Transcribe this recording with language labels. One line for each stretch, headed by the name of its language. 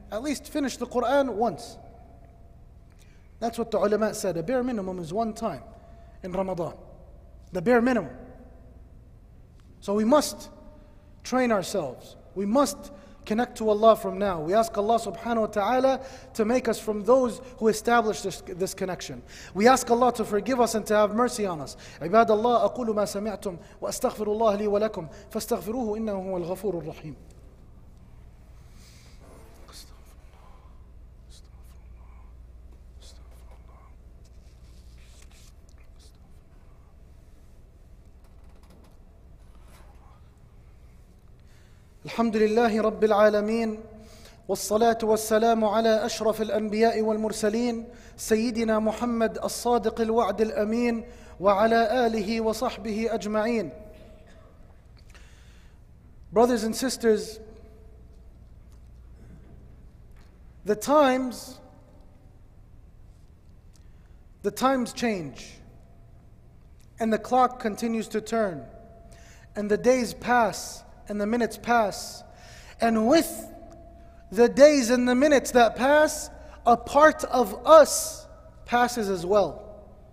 English: At least finish the Quran once. That's what the ulama said, a bare minimum is one time in Ramadan. The bare minimum. So we must train ourselves. We must connect to Allah from now. We ask Allah subhanahu wa ta'ala to make us from those who establish this connection. We ask Allah to forgive us and to have mercy on us.
Arabic: عباد الله أقول ما سمعتم وأستغفر الله لي ولكم فاستغفروه إنه هو الغفور الرحيم. الحمد لله رب العالمين والصلاة والسلام على أشرف الأنبياء والمرسلين سيدنا محمد الصادق الوعد الأمين وعلى آله وصحبه أجمعين.
English: Brothers and sisters, the times change and the clock continues to turn and the days pass and the minutes pass, and with the days and the minutes that pass, a part of us passes as well.